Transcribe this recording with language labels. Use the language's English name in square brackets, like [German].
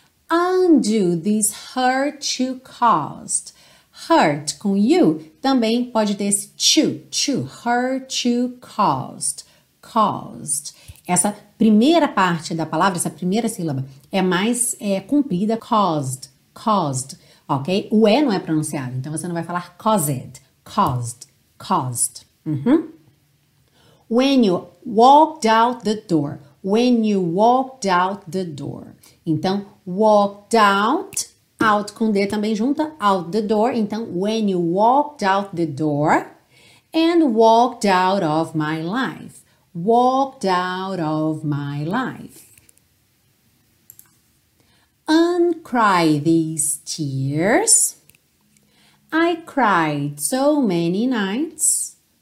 [English] Undo this hurt you caused. [Portuguese] Hurt com you também pode ter esse to. To. [English] Hurt you caused. Caused. [Portuguese] Essa primeira parte da palavra, essa primeira sílaba, é mais comprida, [English] caused, caused, [Portuguese] ok? O E não é pronunciado, então você não vai falar [English] caused, caused, caused. Uhum. When you walked out the door, when you walked out the door. [Portuguese] Então, [English] walked out, out [Portuguese] com D também junta, [English] out the door. Então, when you walked out the door and walked out of my life. Walked out of my life. Uncry these tears. I cried so many nights.